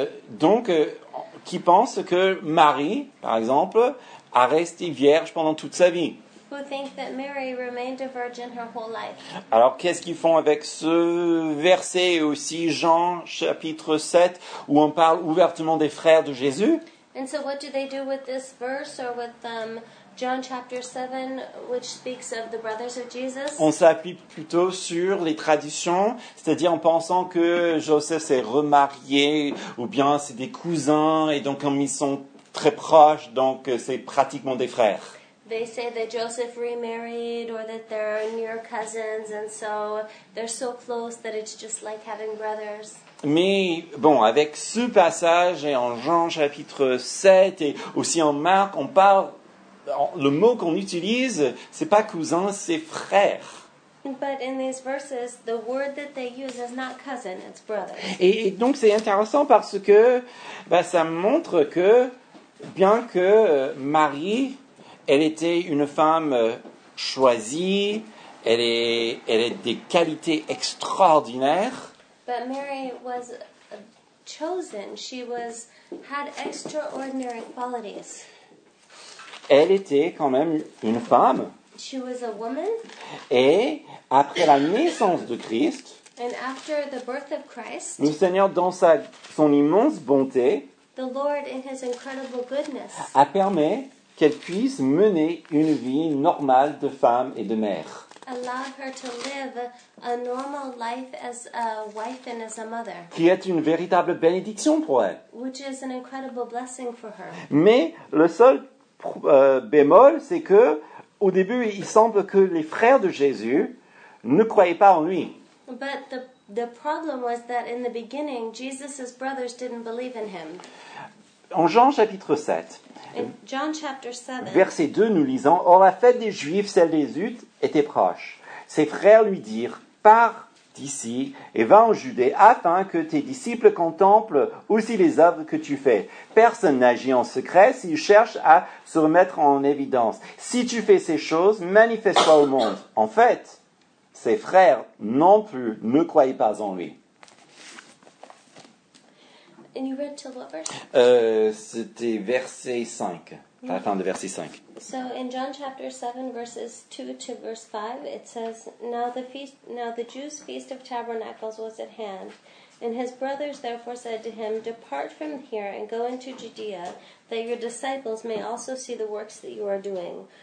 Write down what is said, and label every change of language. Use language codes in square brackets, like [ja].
[fr] Donc, qui pense que Marie, par exemple, a resté vierge pendant toute sa vie? [en] Who think that Mary remained a virgin her whole life. [fr] Alors, qu'est-ce qu'ils font avec ce verset aussi, Jean, chapitre 7, où on parle ouvertement des frères de Jésus? [en] And so what do they do with this verse, or with John, chapter 7, which speaks of the brothers of Jesus? [fr] On s'appuie plutôt sur les traditions, c'est-à-dire en pensant que Joseph s'est remarié, ou bien c'est des cousins, et donc comme ils sont très proches, donc c'est pratiquement des frères. [en] They say that Joseph remarried or that they're near cousins and so they're so close that it's just like having brothers. [fr] Mais bon, avec ce passage et en Jean chapitre 7 et aussi en Marc, on parle, le mot qu'on utilise, c'est pas cousin, c'est frère. [en] But in these verses, the word that they use is not cousin, it's brother. [fr] Et donc c'est intéressant parce que bah, ça montre que bien que Marie... Elle était une femme choisie, elle a des qualités extraordinaires. [en] But Mary was chosen. She was, had extraordinary qualities. [fr] Elle était quand même une femme. [en] She was a woman. [fr] Et après la naissance de Christ, [en] and after the birth of Christ, [fr] le Seigneur, dans son immense bonté, [en] the Lord in his incredible goodness, [fr] a permis qu'elle puisse mener une vie normale de femme et de mère. [en] Allow her to live a normal life as a wife and as a mother. [fr] Qui est une véritable bénédiction pour elle. [en] Which is an incredible blessing for her. [fr] Mais le seul bémol, c'est que au début, il semble que les frères de Jésus ne croyaient pas en lui. [en] But the problem was that in the beginning, Jesus' brothers didn't believe in him. [fr] En Jean chapitre 7. [en] In John chapter 7, [fr] verset 2, nous lisons « Or la fête des Juifs, celle des Juifs, était proche. Ses frères lui dirent « Pars d'ici et va en Judée, afin que tes disciples contemplent aussi les œuvres que tu fais. Personne n'agit en secret s'il cherche à se remettre en évidence. Si tu fais ces choses, manifeste-toi au monde. » En fait, ses frères non plus ne croyaient pas en lui. [en] And you read till what verse? [fr] C'était verset 5, mm-hmm. À la fin de verset 5. [en] So in John chapter 7, verses 2 to verse 5, it says, Now the Jews' feast of tabernacles was at hand, and his brothers therefore said to him, Depart from here and go into Judea, that your disciples may also see the works that you are doing.